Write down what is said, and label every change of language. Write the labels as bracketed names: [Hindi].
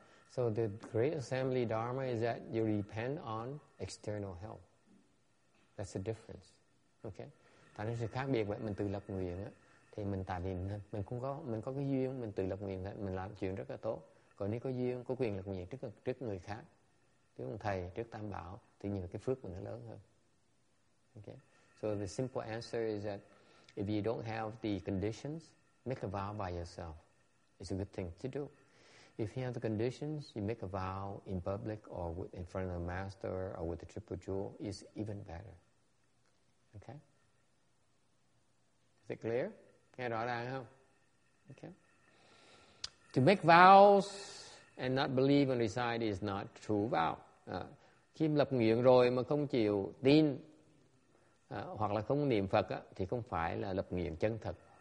[English] So the great assembly dharma is that you depend on external help. That's the difference. Okay. [Vietnamese] Tại nên sự khác biệt vậy, mình tự lập nguyện á, thì mình tại vì mình cũng có, mình có cái duyên mình tự lập nguyện, mình làm chuyện rất là tốt. Còn nếu có duyên, có quyền lập nguyện trước người khác, trước ông thầy, trước Tam Bảo, thì nhiều cái phước mình nó lớn hơn. Okay. [English] So the simple answer is that if you don't have the conditions, make a vow by yourself. It's a good thing to do. If you have the conditions, you make a vow in public or with, in front of the master or with the triple jewel, it's even better. Okay? Is it clear? [Vietnamese] Nghe rõ ràng không? [English] Okay. To make vows and not believe and recite is not true vow. [Vietnamese] Khi lập nguyện rồi mà không chịu tin hoặc là không niệm Phật á, thì không phải là lập nguyện chân thật.